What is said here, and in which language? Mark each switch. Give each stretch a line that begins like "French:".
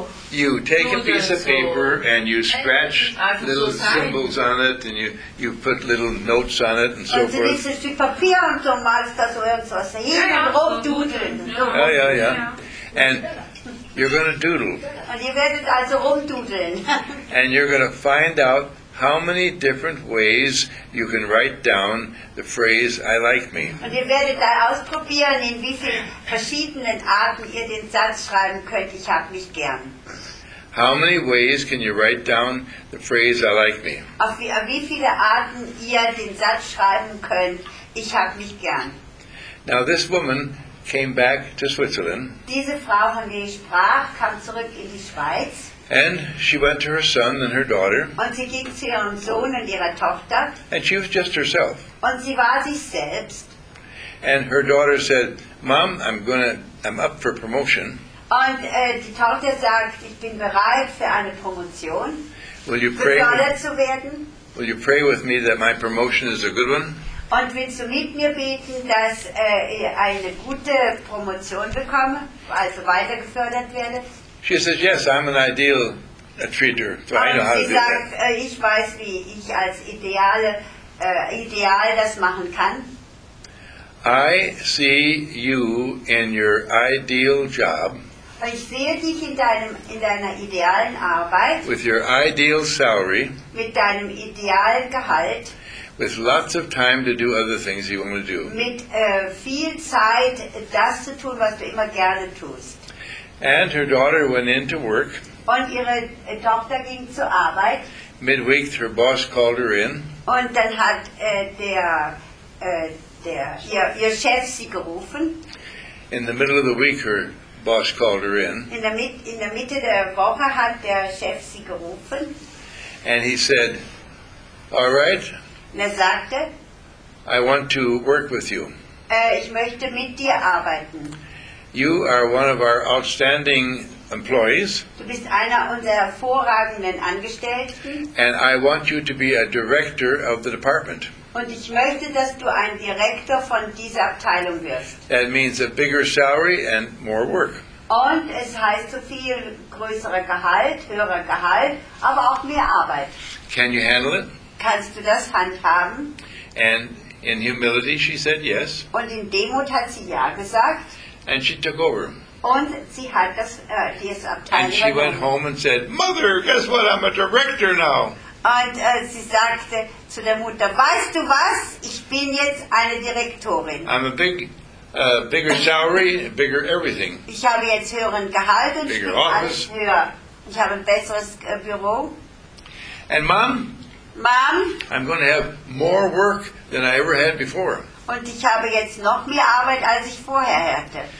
English: You take a piece of paper and you scratch little symbols on it and you put little notes on it and so forth.
German: Und du nimmst ein Stück Papier und so malst das irgendwas hin und rumdudeln. Ja, ja, ja.
English: And you're going to doodle.
German: Und ihr werdet also rumdudeln.
English: And you're going to find out how many different ways you can write down the phrase "I like me."
German: Und ihr werdet da ausprobieren, in wie vielen verschiedenen Arten ihr den Satz schreiben könnt. Ich hab mich gern.
English: How many ways can you write down the phrase "I like me"?
German: Auf wie viele Arten ihr den Satz schreiben könnt. Ich hab mich gern.
English: Now this woman came back to Switzerland.
German: Diese Frau, von der ich sprach, kam zurück in die Schweiz.
English: And she went to her son and her daughter.
German: Und sie ging zu ihrem Sohn und ihrer Tochter.
English: And she was just herself.
German: Und sie war sich selbst.
English: And her daughter said, "Mom, I'm up for promotion."
German: Und die Tochter sagt, ich bin bereit für eine Promotion.
English: Will you pray?
German: Befördert zu werden.
English: Will you pray with me that my promotion is a good one?
German: Und willst du mit mir beten, dass ich eine gute Promotion bekomme, also weitergefördert werde?
English: She says, "Yes, I'm an ideal treater, so I know how to do
German: sagt,
English: that."
German: Ich weiß, wie ich als ideale, ideal das machen kann.
English: I see you in your ideal job.
German: Ich sehe dich in deiner idealen Arbeit.
English: With your ideal salary.
German: Mit deinem idealen Gehalt.
English: With lots of time to do other things you want to do.
German: Mit viel Zeit, das zu tun, was du immer gerne tust.
English: And her daughter went in to work.
German: Und ihre Tochter ging zur Arbeit.
English: Midweek, her boss called her in.
German: Und dann hat ihr Chef sie gerufen.
English: In the middle of the week, her boss called her in.
German: In der Mitte der Woche hat der Chef sie gerufen.
English: And he said, "All right."
German: Und er sagte,
English: I want to work with you.
German: Ich möchte mit dir arbeiten.
English: You are one of our outstanding employees.
German: Du bist einer unserer hervorragenden Angestellten.
English: And I want you to be a director of the department.
German: Und ich möchte, dass du ein Direktor von dieser Abteilung wirst.
English: That means a bigger salary and more work.
German: Und es heißt so viel größere Gehalt, höhere Gehalt, aber auch mehr Arbeit.
English: Can you handle it?
German: Kannst du das handhaben?
English: And in humility she said yes.
German: Und in Demut hat sie ja gesagt.
English: And she took over.
German: Und sie hat das dieses Abteil.
English: And she went home and said, Mother, guess what? I'm a director now.
German: Und sie sagte zu der Mutter, weißt du was? Ich bin jetzt eine Direktorin.
English: I'm a big, bigger salary, bigger everything.
German: Ich habe jetzt höheren Gehalt und
English: bigger office.
German: Ich habe ein besseres Büro.
English: And Mom? Mom? I'm going to have more work than I ever had before.
German: Und ich habe jetzt noch mehr Arbeit, als ich vorher hatte.